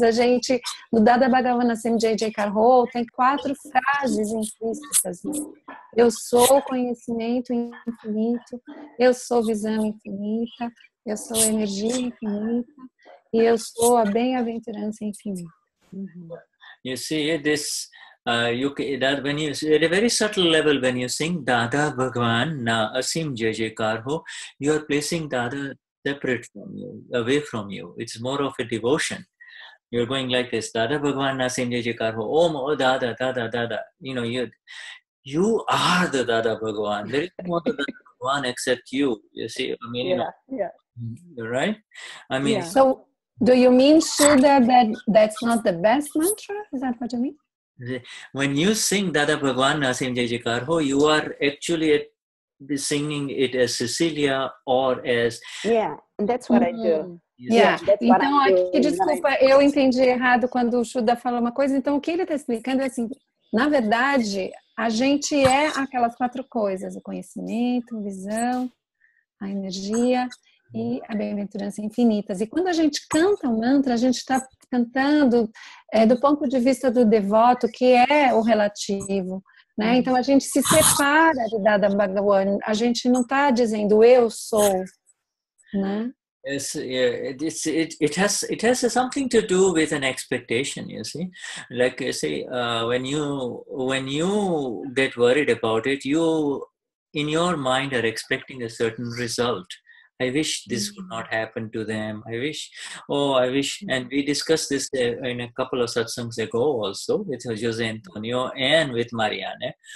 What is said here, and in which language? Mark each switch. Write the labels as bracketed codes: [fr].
[pt] A gente, no Dada Bhagwan Nasim Jai Jaikar Ho, tem quatro frases implícitas. Eu sou conhecimento infinito, eu sou visão infinita, eu sou energia infinita e eu sou a bem-aventurança infinita. Uhum. [en] You see, this, that when you, at a very subtle level, when you sing Dada Bhagwan Na Asim Jai Jai Kar Ho, you are placing Dada separate from you, away from you. It's more of a devotion. You're going like this, Dada Bhagwan Na Asim Jai Jai Kar Ho, Om, oh, Dada, Dada, Dada. You know, you are the Dada Bhagwan. There is no other Dada Bhagwan except you. You see, I mean, yeah. You're right. I mean, yeah. So Do you mean, Shuddha, that that's not the best mantra? Is that what you mean? When you sing Dada Bhagwan Nasim Jai Jaikar Ho, you are actually singing it as Cecilia or as... Yeah, and that's what I do. Yeah. [pt] Então, aqui, desculpa, eu entendi errado quando o Shuddha falou uma coisa. Então, o que ele está explicando é assim, na verdade, a gente é aquelas quatro coisas, o conhecimento, a visão, a energia e a bem-aventurança infinitas. E quando a gente canta o mantra, a gente está cantando do ponto de vista do devoto, que é o relativo. Né? Então, a gente se separa de Dada Bhagwan, a gente não está dizendo eu sou, né? [en] Yes, yeah, it has something to do with an expectation, you see. Like you say, when you get worried about it, you in your mind are expecting a certain result. I wish this would not happen to them. I wish, and we discussed this in a couple of satsangs ago also with Jose Antonio and with Marianne.